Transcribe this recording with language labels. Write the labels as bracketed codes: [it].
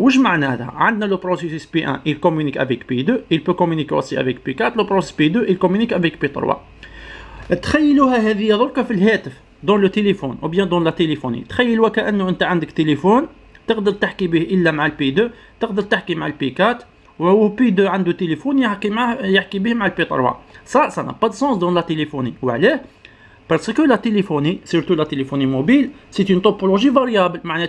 [ar] واش معناتها؟ عندنا [fr] le processus P1 il communique avec P2, il peut communiquer aussi avec P4, le processus P2 il communique avec P3. [ar] تخيلوها هذه درك في الهاتف [fr] dans le téléphone ou bien dans la téléphonie. [ar] تخيلوها كأنه انت عندك تليفون تقدر تحكي به الا مع P2, تقدر تحكي مع P4. [fr] Ou P2 a un téléphone, il y a qui bien mal P3. Ça, ça n'a pas de sens dans la téléphonie. Ou alors, parce que la téléphonie, surtout la téléphonie mobile, c'est une topologie variable.